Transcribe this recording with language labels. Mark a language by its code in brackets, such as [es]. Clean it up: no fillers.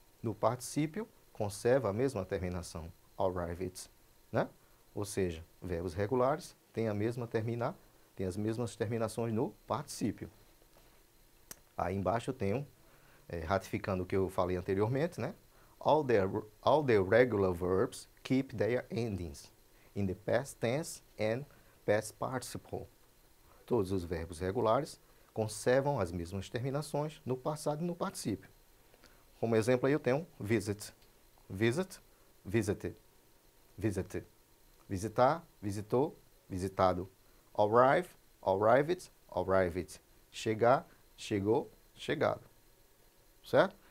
[pt] No particípio, conserva a mesma terminação, arrived. Né? Ou seja, verbos regulares têm a mesma terminar, têm as mesmas terminações no particípio. Aí embaixo eu tenho, ratificando o que eu falei anteriormente, né? [en] All the regular verbs keep their endings in the past tense and past participle. [pt] Todos os verbos regulares conservam as mesmas terminações no passado e no particípio. Como exemplo aí eu tenho visit. Visit, visited, visitar, visitou, visitado. Arrived, chegar, chegou, chegado, certo?